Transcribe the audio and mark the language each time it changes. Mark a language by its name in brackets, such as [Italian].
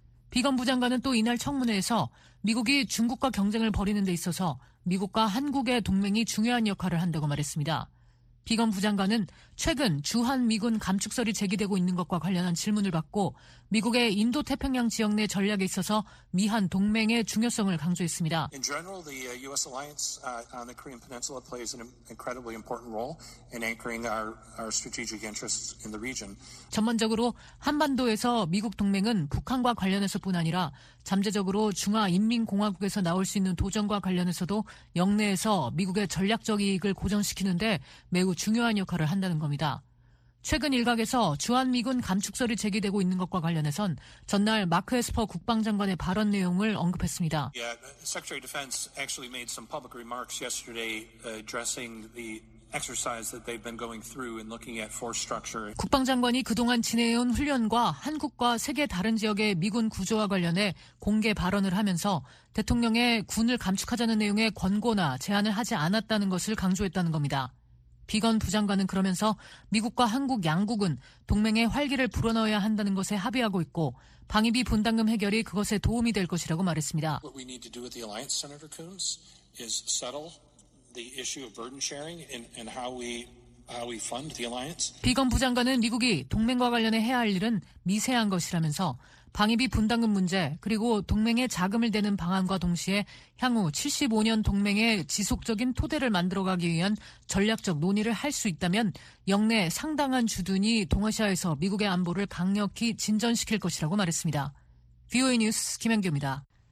[Korean] 비건 부장관은 또 이날 청문회에서 미국이 중국과 경쟁을 벌이는 데 있어서 미국과 한국의 동맹이 중요한 역할을 한다고 말했습니다. 비건 부장관은 최근 주한미군 감축설이 제기되고 있는 것과 관련한 질문을 받고 미국의 인도태평양 지역 내 전략에 있어서 미한 동맹의 중요성을 강조했습니다. [English] In general, the U.S. alliance on the Korean Peninsula plays an incredibly important role in anchoring our strategic interests in the region. [Korean] 전반적으로 한반도에서 미국 동맹은 북한과 관련해서뿐 아니라 잠재적으로 중화인민공화국에서 나올 수 있는 도전과 관련해서도 역내에서 미국의 전략적 이익을 고정시키는데 매우 중요한 역할을 한다는 겁니다. 최근 일각에서 주한미군 감축설이 제기되고 있는 것과 관련해선 전날 마크 에스퍼 국방장관의 발언 내용을 언급했습니다. [English] Secretary of Defense actually made some public remarks yesterday addressing the exercise that they've been going through and looking at force structure. [Korean] 국방장관이 그동안 진행해온 훈련과 한국과 세계 다른 지역의 미군 구조와 관련해 공개 발언을 하면서 대통령의 군을 감축하자는 내용의 권고나 제안을 하지 않았다는 것을 강조했다는 겁니다. 비건 부장관은 그러면서 미국과 한국 양국은 동맹의 활기를 불어넣어야 한다는 것에 합의하고 있고 방위비 분담금 해결이 그것에 도움이 될 것이라고 말했습니다. [English] What we need to do with the alliance, Senator Coons, is settle the issue of burden sharing and how we fund the alliance. [Korean] 비건 부장관은 미국이 동맹과 관련해 해야 할 일은 미세한 것이라면서 방위비 분담금 문제 그리고 동맹의 자금을 대는 방안과 동시에 향후 75년 동맹의 지속적인 토대를 만들어가기 위한 전략적 논의를 할 수 있다면 역내 상당한 주둔이 동아시아에서 미국의 안보를 강력히 진전시킬 것이라고 말했습니다. VOA 뉴스 김현규입니다.